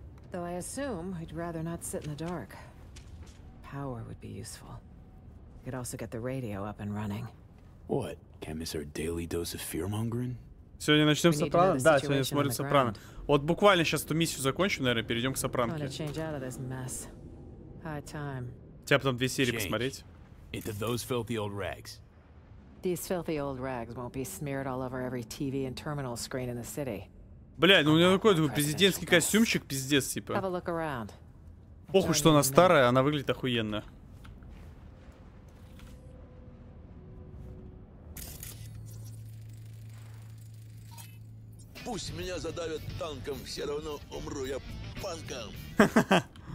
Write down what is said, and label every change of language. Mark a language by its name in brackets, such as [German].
[English] Though I assume we'd rather not sit in the dark. Power would be useful. We could also get the radio up and running. What? Can't miss our daily dose of fear-mongering? [Russian] Сегодня начнем сопрано? Да, сегодня смотрим сопрано. Вот буквально сейчас эту миссию закончим, наверное, перейдем к сопранке. [English] I'm gonna change out of this mess. High time. [Russian] Тебя потом две серии посмотреть. [English] Into those filthy old rags. These filthy old rags won't be smeared all over every TV and terminal screen in the city. [Russian] Блядь, ну у меня такой президентский костюмчик, пиздец, типа. [English] Have a look around. [Russian] Похуй, что она старая, она выглядит охуенно. Пусть меня задавят танком, все равно умру я панком.